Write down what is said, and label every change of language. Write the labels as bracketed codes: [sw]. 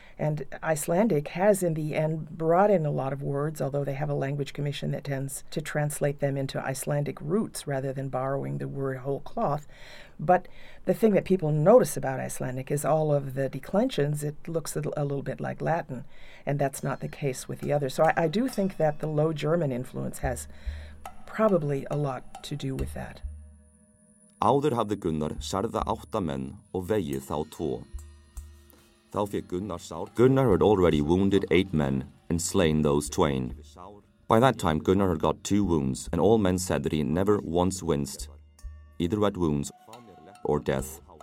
[en] And Icelandic has, in the end, brought in a lot of words, although they have a language commission that tends to translate them into Icelandic roots rather than borrowing the word whole cloth. But the thing that people notice about Icelandic is all of the declensions. It looks a little bit like Latin, and that's not the case with the others. So I do think that the Low German influence has probably a lot to do with that. [is] Áður hafði Gunnar særða átta menn og vegið þá tvo. [en] Gunnar had already wounded 8 men and slain those twain. By that time, Gunnar had got 2 wounds, and all men said that he never once winced, either at wounds or death.